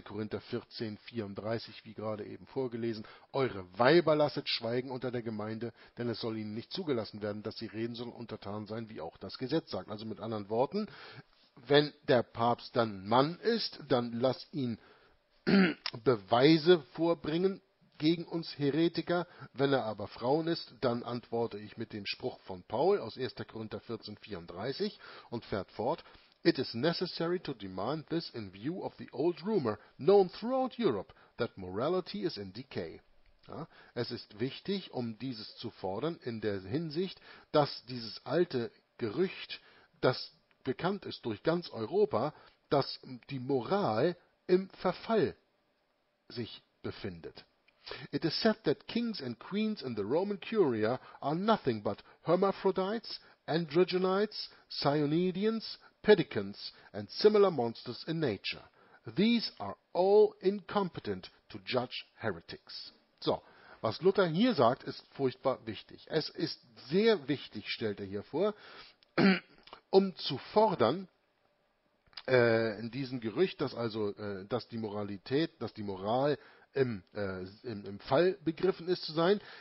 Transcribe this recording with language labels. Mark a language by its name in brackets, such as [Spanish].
[German] Korinther 14, 34, wie gerade eben vorgelesen. Eure Weiber lasset schweigen unter der Gemeinde, denn es soll ihnen nicht zugelassen werden, dass sie reden sollen, untertan sein, wie auch das Gesetz sagt. Also mit anderen Worten, wenn der Papst dann Mann ist, dann lass ihn Beweise vorbringen, gegen uns Heretiker. Wenn er aber Frauen ist, dann antworte ich mit dem Spruch von Paul aus 1. Korinther 14, 34 und fährt fort: [English] It is necessary to demand this in view of the old rumor, known throughout Europe, that morality is in decay. [German] Ja, es ist wichtig, um dieses zu fordern, in der Hinsicht, dass dieses alte Gerücht, das bekannt ist durch ganz Europa, dass die Moral im Verfall sich befindet. [English] It is said that kings and queens in the Roman Curia are nothing but hermaphrodites, androgynites, cyanidians, pedicans, and similar monsters in nature. These are all incompetent to judge heretics. [German] So, was Luther hier sagt, ist furchtbar wichtig. Es ist sehr wichtig, stellt er hier vor, um zu fordern, in diesem Gerücht, dass also, dass die Moralität, dass die Moral im Fall begriffen ist zu sein.